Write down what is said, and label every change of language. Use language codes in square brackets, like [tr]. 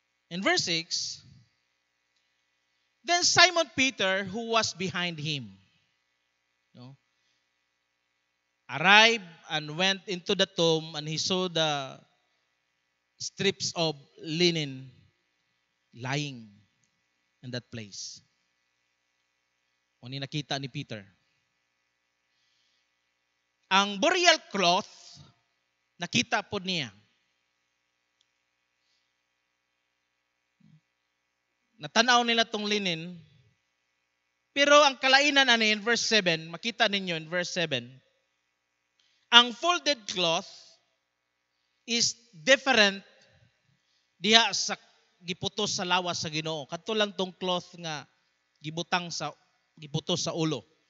[en] In verse 6, then Simon Peter, who was behind him, no, arrived and went into the tomb and he saw the strips of linen lying in that place. [tl] Ano nakita ni Peter? Ang burial cloth, nakita po niya. [ceb] Natanaw nila tong linen. Pero ang kalainan ani in verse 7, makita ninyo in verse 7, [en] ang folded cloth is different [ceb] diha sa giputos sa lawas sa Ginoo. Kadto lang tong cloth nga gibutang sa giputos sa ulo.